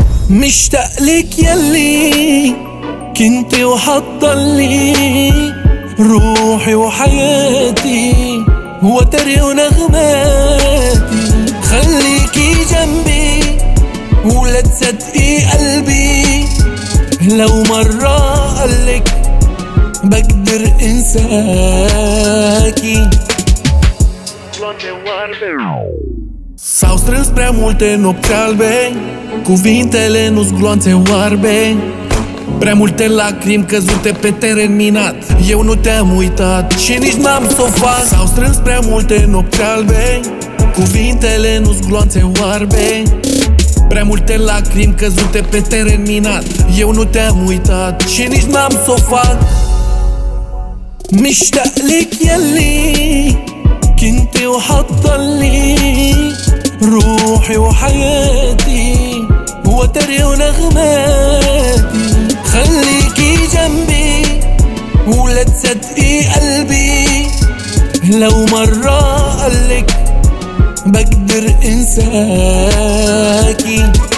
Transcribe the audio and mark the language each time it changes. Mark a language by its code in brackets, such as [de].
[ar] مشتاق لك يلي كنت وحطلي روحي وحياتي وتري ونغماتي. خليكي جنبي ولا تصدقي قلبي لو مرة قلك بقدر انساكي. [ro] S-au strâns prea multe nopți albe, cuvintele nu-s gloanțe oarbe. Prea multe lacrimi căzute pe teren minat, eu nu te-am uitat și nici n-am s-o fac. S-au strâns prea multe nopți albe, cuvintele nu-s gloanțe oarbe. Prea multe lacrimi căzute pe teren minat, eu nu te-am uitat și nici n-am s-o fac. [ar] Mișta-lic ieli, chinte o hattali روحي وحياتي وتري ونغماتي. خليكي جنبي ولا تصدقي قلبي لو مرة قلك بقدر انساكي.